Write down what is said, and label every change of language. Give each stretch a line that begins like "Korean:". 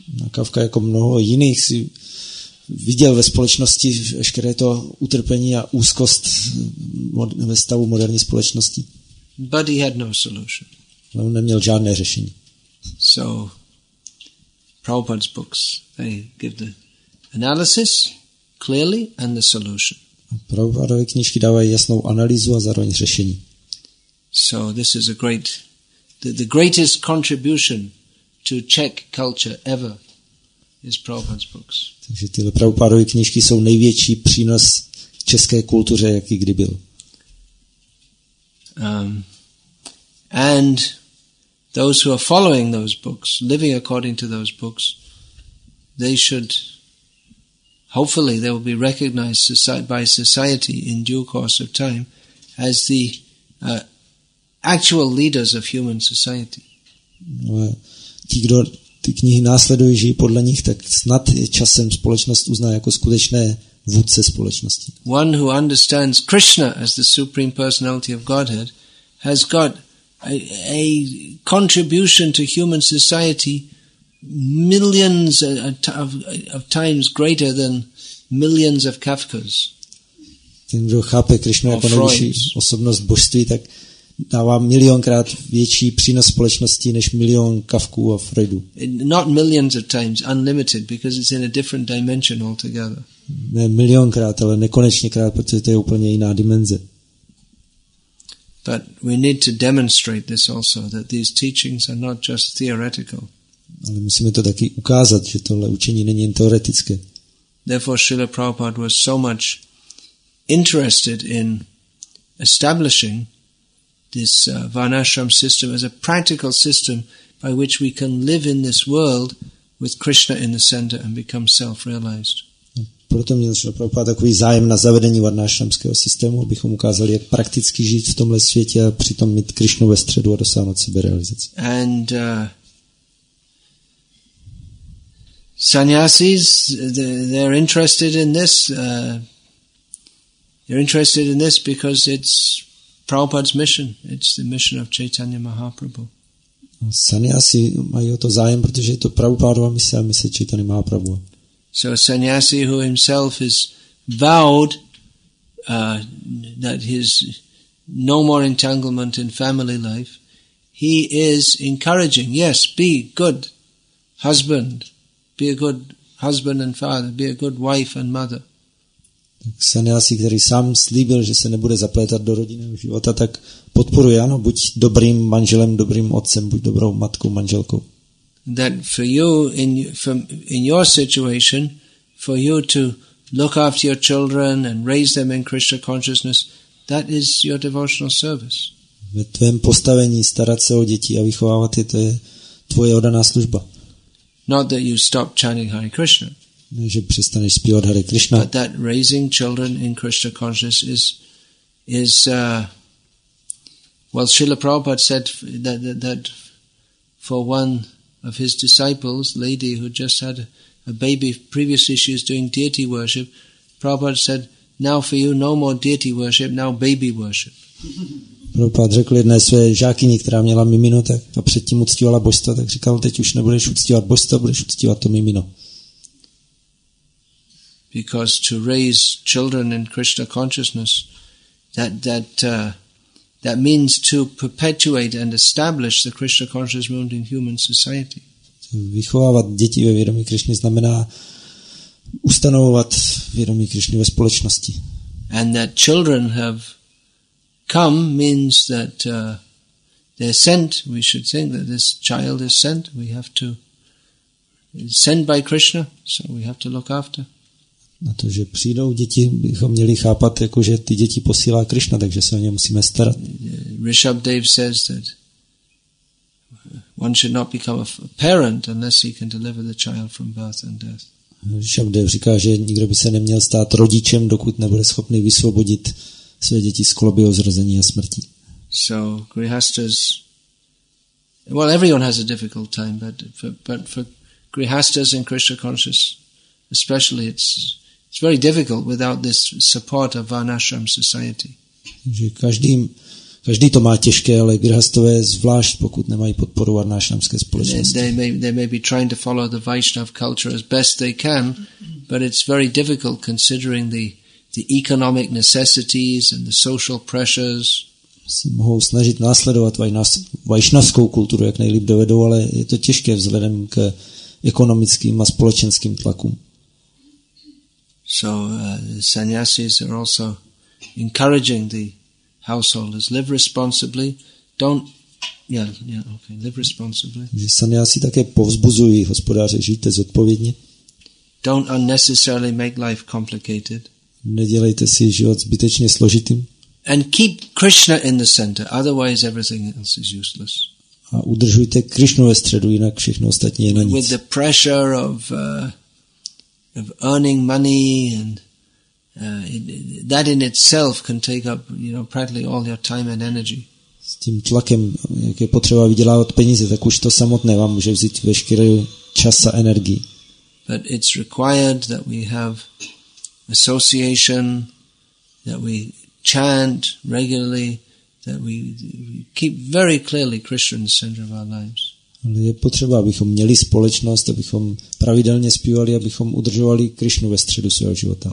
Czech: Kafka jako mnoho jiných si viděl ve společnosti veškeré to utrpení a úzkost ve stavu moderní společnosti.
English: But he had no solution.
Czech: On neměl žádné řešení.
English: So, Prabhupada's books, they give the analysis clearly and the solution.
Czech: Prabhupádové knížky dávají jasnou analýzu a zároveň řešení.
English: So this is a great, the greatest contribution to Czech culture ever is Prabhupada's books.
Czech: Takže tyhle Prabhupádové knížky jsou největší přínos české kultuře, jaký kdy byl.
English: And those who are following those books, living according to those books, they should hopefully they will be recognized by society in due course of time as the actual leaders of human society.
Czech: Ti, kdo ty knihy následují, žijí podle nich, tak snad časem společnost uzná jako skutečné vůdce společnosti.
English: One who understands Krishna as the Supreme Personality of Godhead has got a contribution to human society millions of times greater than millions of Kafkas.
Czech: Ten, kdo chápe Krishna jako nejvyšší osobnost božství, tak dává milionkrát větší přínos společnosti než milion Kafků a Freudů.
English: Not millions of times, unlimited, because it's in a different dimension altogether.
Czech: Ne milionkrát, ale nekonečněkrát, protože to je úplně jiná dimenze.
English: But we need to demonstrate this also, that these teachings are not just theoretical.
Czech: Ale musíme to taky ukázat, že tohle učení není jen teoretické.
English: Therefore Srila Prabhupada was so much interested in establishing this Varnashram system as a practical system by which we can live in this world with Krishna in the center and become self-realized.
Czech: Proto měl Srila Prabhupada takový zájem na zavedení Varnashramského systému, abychom ukázali, jak prakticky žít v tomhle světě a přitom mít Krishnu ve středu a dosáhnout seberealizace.
English: And sannyasis, they're interested in this. They're interested in this because it's Prabhupada's mission. It's the mission of Chaitanya Mahaprabhu.
Czech: Sannyasi mají o to zájem, protože je to Prabhupádova mise a mise Chaitanya Mahaprabhu.
English: So a sannyasi who himself has vowed that his no more entanglement in family life, he is encouraging, yes, be good husband. Be a good husband and father. Be a good wife and mother.
Czech: Sannyasi, který sám slíbil, že se nebude zaplétat do rodinného života, tak podporuje, ano, buď dobrým manželem, dobrým otcem, buď dobrou matkou, manželkou.
English: That for you, in your situation, for you to look after your children and raise them in Krishna consciousness, that is your devotional service.
Czech: Ve tvém postavení starat se o děti a vychovávat je, to je tvoje oddaná služba.
English: Not that you stop chanting Hare Krishna.
Czech: Ne, že přestaneš zpívat Hare Krishna.
English: But that raising children in Krishna consciousness is Srila Prabhupada said that for one of his disciples, lady who just had a baby, previously she was doing deity worship, Prabhupada said, now for you no more deity worship, now baby worship.
Czech: Prabhupada řekl jedné své žákyni, která měla mimino, tak a předtím uctívala božstva, tak říkal, teď už nebudeš uctívat božstva, budeš uctívat to mimino.
English: Because to raise children in Krishna consciousness, that means to perpetuate and establish the Krishna conscious movement in human society.
Czech: Vychovávat děti ve vědomí Krishny znamená ustanovovat vědomí Krishny ve společnosti.
English: And that children have come means that they're sent. We should think that this child is sent. We have to send by Krishna, so we have to look after.
Czech: Na to, že přijdou děti, bychom měli chápat, jako že ty děti posílá Krishna, takže se o ně musíme starat.
English: Rishabdev says that one should not become a parent unless he can deliver the child from birth and death.
Czech: Rishabdev říká, že nikdo by se neměl stát rodičem, dokud nebude schopný vysvobodit své děti z koloby o zrození a smrti.
English: So grihastas, well, everyone has a difficult time, but for grihastas and Krishna conscious, especially, it's very difficult without this support of Varnashram society.
Czech: Že každý to má těžké, ale grihastové zvlášť, pokud nemají podporu Varnashramské společnosti.
English: They may be trying to follow the Vaishnava culture as best they can, but it's very difficult considering the economic necessities and the social pressures.
Czech: Se mohou snažit následovat vaišnavskou kulturu, jak nejlíp dovedou, ale je to těžké vzhledem k ekonomickým a společenským tlakům.
English: So the sannyasis are also encouraging the householders, live responsibly, live responsibly.
Czech: Sannyasi také povzbuzují hospodáře, žijte zodpovědně.
English: Don't unnecessarily make life complicated.
Czech: Nedělejte si život zbytečně složitým.
English: And keep Krishna in the center, otherwise everything else is useless.
Czech: A udržujte Krishnu ve středu, jinak všechno ostatní je na nic.
English: With the pressure of of earning money, and that in itself can take up, you know, practically all your time and energy.
Czech: S tím tlakem, jak je potřeba vydělávat peníze, tak už to samotné vám může vzít veškerý čas a energii.
English: But it's required that we have association, that we chant regularly, that we keep very clearly Krishna in the center of our lives.
Czech: Je potřeba, abychom měli společnost, abychom pravidelně zpívali, abychom udržovali Krishnu ve středu svého života.